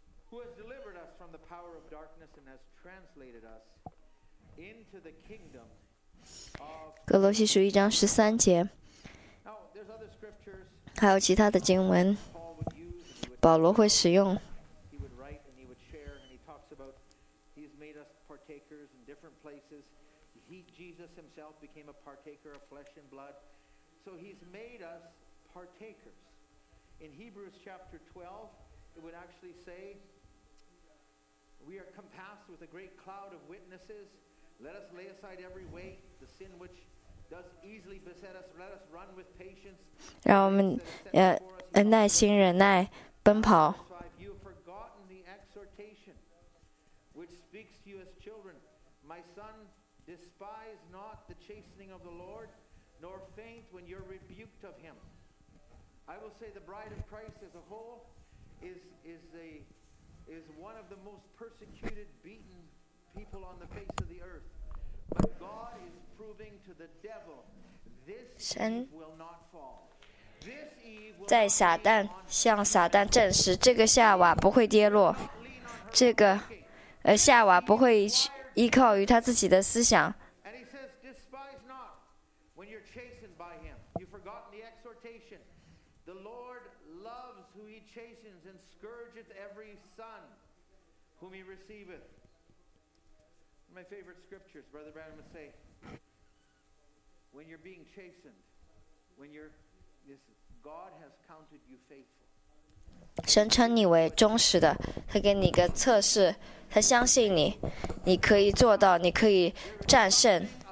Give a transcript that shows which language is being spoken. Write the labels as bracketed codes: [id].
[en] who has delivered us from the power of darkness and has translated us into the kingdom of Now, there's other scriptures. [zh] 还有其他的经文，保罗会使用。 [en] He would write and he would share and he talks about he's made us partakers in different places. He, Jesus himself became a partaker of flesh and blood. So he's made us partakers. In Hebrews chapter 12, it would actually say,We are compassed with a great cloud of witnesses. Let us lay aside every weight, the sin which does easily beset us. Let us run with patience. [zh] 让我们耐心忍耐奔跑。 [en] You have forgotten the exhortation which speaks to you as children. My son, despise not the chastening of the Lord, nor faint when you're rebuked of him. I will say the bride of Christ as a whole is one of the most persecuted, beaten people on the face of the earth. But God is proving to the devil, this Eve will not fall. This Eve will not fall. [zh] 在撒旦向撒旦证实，这个夏娃不会跌落，这个夏娃不会依靠于他自己的思想。 [en] And he says, despise not when you're chastened by him. You've forgotten the exhortation. The Lord loves who he chastens and scourgeth every son. Whom he receiveth. My favorite scriptures, Brother Branham would say, when you're being chastened, when you're, this God has counted you faithful. [zh] 神称你为忠实的，他给你一个测试，他相信你，你可以做到，你可以战胜。